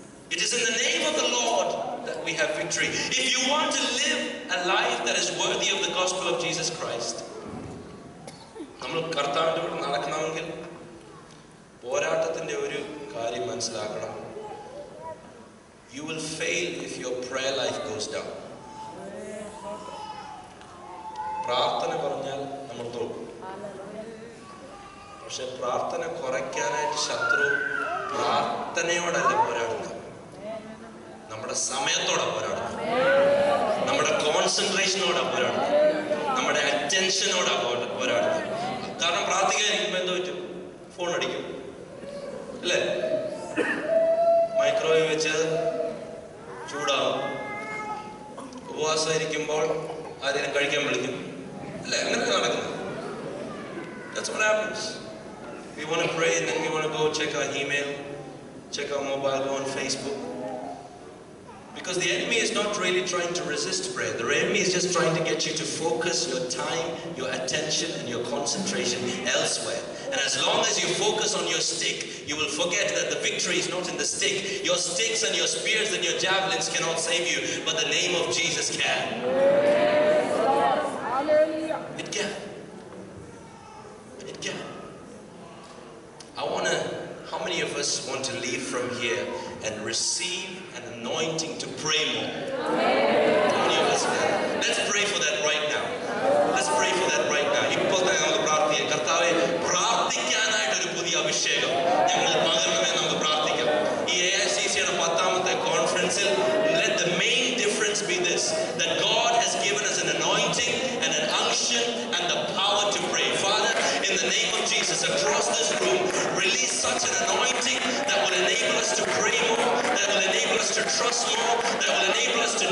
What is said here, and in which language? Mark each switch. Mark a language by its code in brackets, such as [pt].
[en] It is in the name of the Lord that we have victory. If you want to live a life that is worthy of the gospel of Jesus Christ, [ml] നമ്മൾ കർത്താവിന്റെ കൂടെ നടക്കണമെങ്കിൽ പോരാട്ടത്തിന്റെ ഒരു കാര്യം മനസ്സിലാക്കണം. [en] You will fail if your prayer life goes down. [ml] പ്രാർത്ഥന പറഞ്ഞാൽ നമ്മൾ തോൽക്കും. പക്ഷെ പ്രാർത്ഥന കുറയ്ക്കാനായിട്ട് ശത്രു പ്രാർത്ഥനയോടല്ല പോരാടുന്നത്, നമ്മുടെ സമയത്തോടെ പോരാടുന്നു, നമ്മുടെ കോൺസെൻട്രേഷനോടെ പോരാടുന്നു, നമ്മുടെ അറ്റൻഷനോടെ പോരാടുന്നു. കാരണം പ്രാർത്ഥിക്കാതിരിക്കുമ്പോൾ എന്തോ പറ്റും, ഫോൺ അടിക്കും അല്ലേ, മൈക്രോവേവ് വെച്ച് ചൂടാവും, ഉപവാസമായിരിക്കുമ്പോൾ ആരെയും കഴിക്കാൻ വിളിക്കും അല്ലേ, അങ്ങനെയൊക്കെ നടക്കുന്നു. [en] That's what happens. We want to pray and then we want to go check our email, check our mobile, go on Facebook. Because the enemy is not really trying to resist prayer. The enemy is just trying to get you to focus your time, your attention and your concentration elsewhere. And as long as you focus on your stick, you will forget that the victory is not in the stick. Your sticks and your spears and your javelins cannot save you, but the name of Jesus can. Yes, hallelujah. It can. It can. I want to, how many of us want to leave from here and receive an anointing to pray more? Amen. How many of us there? Let's pray for that right now. Let's pray for that right now. [ml] ഇപ്പോൾ തന്നെ നമുക്ക് പ്രാർത്ഥിക്കാം. കർത്താവെ, പ്രാർത്ഥിക്കാനായിട്ട് ഒരു പുതിയ അഭിഷേകം ഞങ്ങളിൽ പകരണമേ. നമുക്ക് പ്രാർത്ഥിക്കാം. ഈ AICC-യുടെ 10th കോൺഫറൻസിൽ [en] let the main difference be this, that God has given us an anointing and an unction and the power to pray. Father, in the name of Jesus, across this room, release such an anointing that will enable us to pray more, that will enable us to trust more, that will enable us